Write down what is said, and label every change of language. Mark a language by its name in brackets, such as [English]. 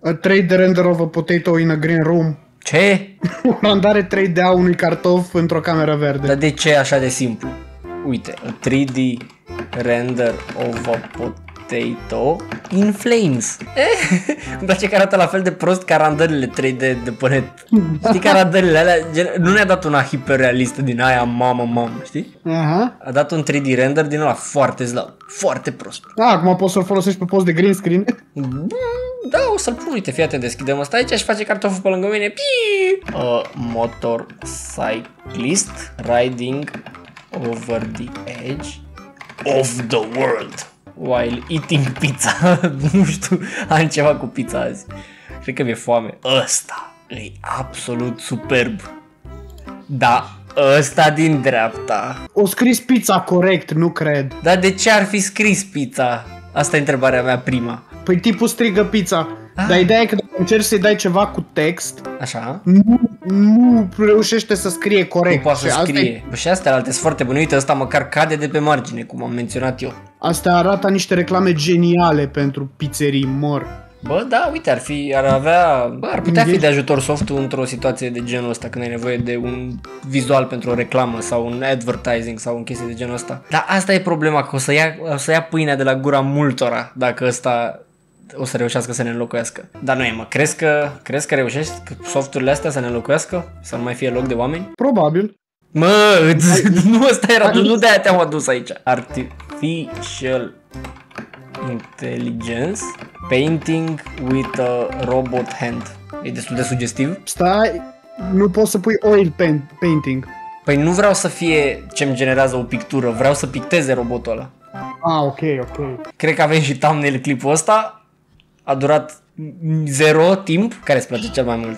[English] A 3D render of a potato in a green room. [Romanian] Ce? O randare 3D-a unui cartof într-o cameră verde. Dar de ce așa de simplu? Uite, [English] a 3D render of a potato in flames. [Romanian] Îmi place că arată la fel de prost ca randările 3D de pe net. Știi că randările alea, gen, nu ne-a dat una hiperrealistă din aia, mamă, știi? Uh-huh. A dat un 3D render din ăla foarte slab, foarte prost. Da, acum poți să-l folosești pe post de green screen. Da, o să-l pun, uite, fii atent, deschidem ăsta aici și face cartoful pe lângă mine. [English] Motorcyclist riding over the edge of the world while eating pizza. [Romanian] Nu știu, am ceva cu pizza azi. Cred că mi-e foame. Ăsta e absolut superb. Da, ăsta din dreapta. O scris pizza corect, nu cred. Dar de ce ar fi scris pizza? Asta e întrebarea mea prima. Păi tipul strigă pizza. Dar ideea e că dacă încerci să-i dai ceva cu text, așa? Nu reușește să scrie corect. Nu poate să scrie. Păi și astea alte sunt foarte bune. Uite, ăsta măcar cade de pe margine, cum am menționat eu. Astea arată niște reclame geniale pentru pizzerii mor. Bă, da, uite, ar putea fi de ajutor softul într-o situație de genul ăsta, când ai nevoie de un vizual pentru o reclamă sau un advertising sau un chestie de genul ăsta. Dar asta e problema, că o să ia pâinea de la gura multora dacă ăsta o să reușească să ne înlocuiască. Dar nu e, mă, crezi că reușești softurile astea să ne înlocuiască? Să nu mai fie loc de oameni? Probabil. Mă, nu ăsta era, nu de-aia te-am adus aici. [English] Artificial intelligence painting with a robot hand. [Romanian] E destul de sugestiv. Stai, nu poți să pui oil painting. Păi nu vreau să fie ce-mi generează o pictură, vreau să picteze robotul ăla. Ah, ok. Cred că avem și thumbnail clipul ăsta. A durat zero timp. Care îți place cel mai mult?